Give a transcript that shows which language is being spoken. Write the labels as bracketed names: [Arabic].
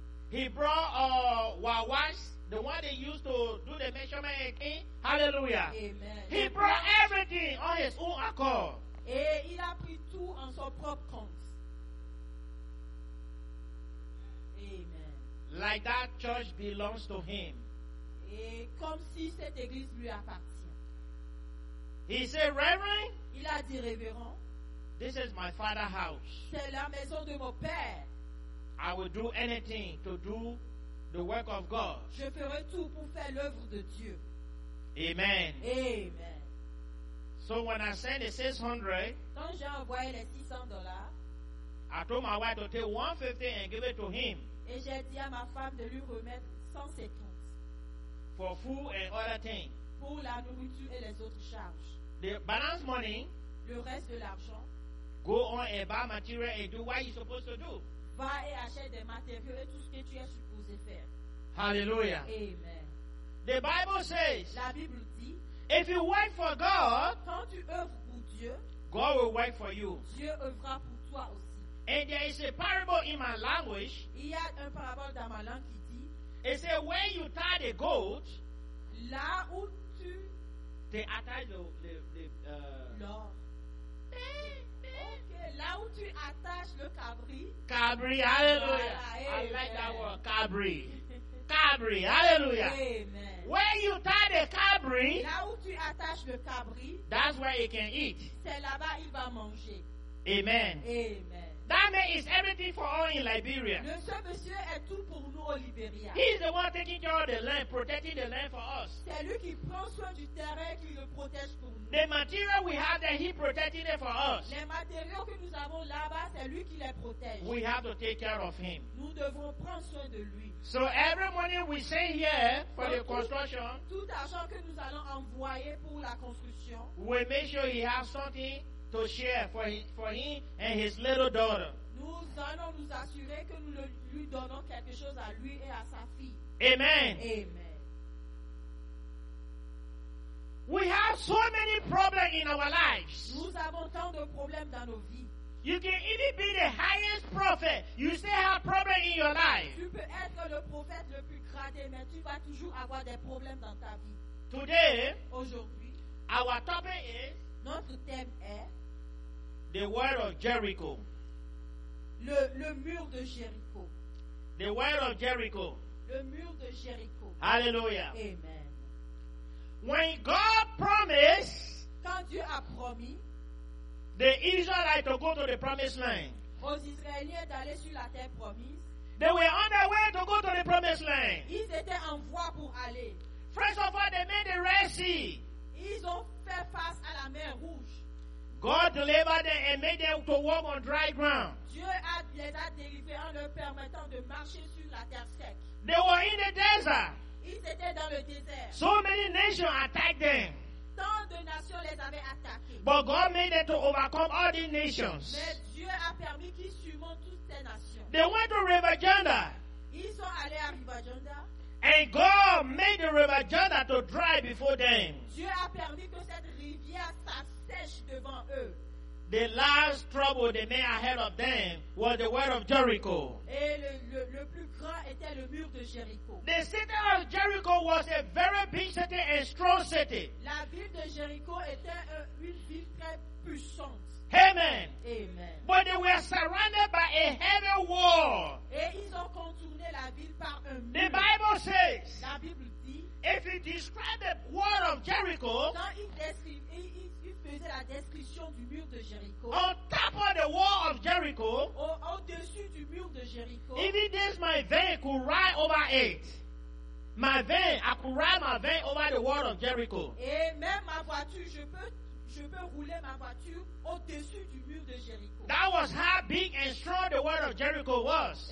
[English] He brought a wawas, the one they used to do the measurement and thing. Hallelujah. Amen. He brought everything on his own accord. [French] Et il a pris tout en son propre compte. [English] Amen. Like that church belongs to him. [French] Et comme si cette église lui appartient. [English] He said, Reverend. [French] Il a dit, Révérend. [English] This is my father's house. [French] C'est la maison de mon père. [English] I will do anything to do the work of God. [French] Je ferai tout pour faire l'œuvre de Dieu. [English] Amen. Amen. So when I sent the 600, [French] quand j'ai envoyé les $600, [English] I told my wife to take 150 and give it to him. [French] Et j'ai dit à ma femme de lui remettre 150. [English] For food and other things. [French] Pour la nourriture et les autres charges. [English] The balance money. [French] Le reste de l'argent. [English] Go on and buy material and do what you're supposed to do. [French] Va et achète des matériaux et tout ce que tu es supposé faire. [English] Hallelujah. Amen. The Bible says. [French] La Bible dit. [English] If you work for God. [French] Quand tu œuvres pour Dieu. [English] God will work for you. [French] Dieu œuvrera pour toi aussi. [English] And there is a parable in my language. [French] Il y a un parabole dans ma langue. [English] It says, when you tie the goat, [French] là où tu [English] they attach [French] l'or. Okay. Là où tu attaches le cabri. Cabri, hallelujah. Voilà. [English] I like that word, cabri. Cabri, hallelujah. Amen. When you tie the cabri, [French] là où tu attaches le cabri, [English] that's where he can eat. [French] C'est là-bas il va manger. [English] Amen. Amen. That man is everything for all in Liberia. [French] Le seul monsieur est tout pour nous au Liberia. [English] He is the one taking care of the land, protecting the land for us. [French] C'est lui qui prend soin du terrain, qui le protège pour nous. [English] The material we have there, he protecting it for us. [French] Les matériaux que nous avons là-bas, c'est lui qui les protège. [English] We have to take care of him. [French] Nous devons prendre soin de lui. [English] So every money we send here for the construction, [French] tout argent que nous allons envoyer pour la construction, [English] we make sure he has something to share for him and his little daughter. [French] Nous allons nous assurer que nous lui donnons quelque chose à lui et à sa fille. [English] Amen. Amen. We have so many problems in our lives. [French] Nous avons tant de problèmes dans nos vies. [English] You can even be the highest prophet. You still have problems in your life. [French] Tu peux être le prophète le plus gradé, mais tu vas toujours avoir des problèmes dans ta vie. [English] Today, [French] aujourd'hui, [English] our topic is [French] notre thème est [English] the word of Jericho. [French] Le mur de Jéricho. [English] The word of Jericho. [French] Le mur de Jéricho. [English] Hallelujah. Amen. When God promised, [French] quand Dieu a promis, [English] the Israelites to go to the promised land. [French] Aux Israéliens d'aller sur la terre promise. [English] They were on their way to go to the promised land. [French] Ils étaient en voie pour aller. [English] First of all, they made the Red Sea. [French] Ils ont fait face à la mer rouge. [English] God delivered them and made them to walk on dry ground. [French] Dieu les a délivrés en leur permettant de marcher sur la terre sec. [English] They were in the desert. [French] Ils étaient dans le désert. [English] So many nations attacked them. [French] Tant de nations les avaient attaqués. [English] But God made them to overcome all these nations. [French] Mais Dieu a permis qu'ils surmontent toutes ces nations. [English] They went to River Jordan. [French] Ils sont allés à River Jordan. [English] And God made the River Jordan to dry before them. [French] Dieu a permis que cette rivière s'assèche devant eux. [English] the last trouble the man ahead of them was the wall of Jericho. [French] Et le plus grand était le mur de Jericho. [English] The city of Jericho was a very big city and strong city. [French] La ville de Jericho était une ville très puissante. [English] Amen. Amen. But they were surrounded by a heavy wall. [French] Et ils ont contourné la ville par un mur. [English] The Bible says, [French] la Bible dit, [English] if you describe the wall of Jericho, [French] quand il faisait la description du mur de Jericho, [English] on top of the wall of Jericho, [French] au-dessus du mur de Jericho, [English] even this my van could ride over it. My van, I could ride my van over the wall of Jericho. [French] Et même ma voiture, je peux rouler ma voiture au-dessus du mur de Jericho. [English] That was how big and strong the wall of Jericho was.